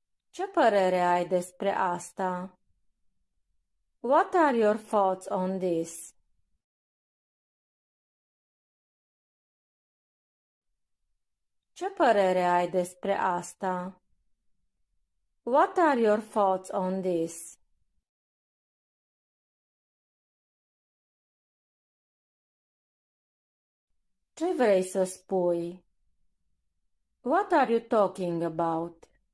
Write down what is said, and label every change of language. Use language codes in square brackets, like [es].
[ro] Ce părere ai despre asta? [en] What are your thoughts on this? [ro] Ce părere ai despre asta? [en] What are your thoughts on this? [ro] Ce vrei să spui? [en] What are you talking about?